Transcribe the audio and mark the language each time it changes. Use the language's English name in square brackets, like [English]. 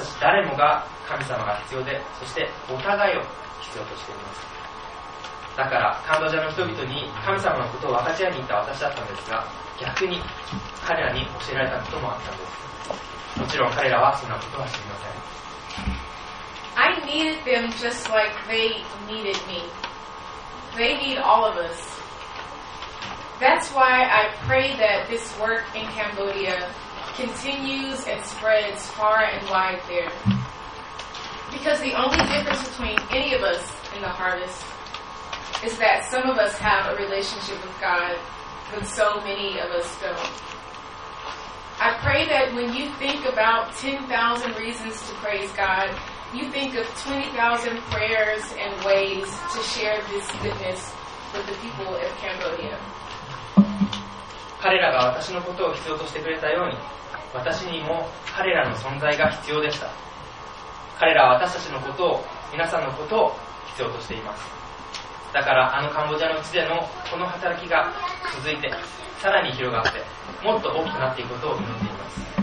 [Japanese] 私たち誰もが神様が必要で、そしてお互いを必要としています。だからカンボジアの人々に神様のことを分かち合いに行った私だったんですが、逆に彼らに教えられたこともあったんです。もちろん彼らはそんなことは知りません。 [English] I needed them just like they needed me. They need all of us. That's why I pray that this work in Cambodia continues and spreads far and wide there. Because the only difference between any of us in the harvestis that some of us have a relationship with God, but so many of us don't. I pray that when you think about 10,000 reasons to praise God, you think of 20,000 prayers and ways to share this goodness with the people of Cambodia. [Japanese] 彼らが私のことを必要としてくれたように、私にも彼らの存在が必要でした。彼らは私たちのことを、皆さんのことを必要としています。だからあのカンボジアの地でのこの働きが続いて、さらに広がってもっと大きくなっていくことを祈っています。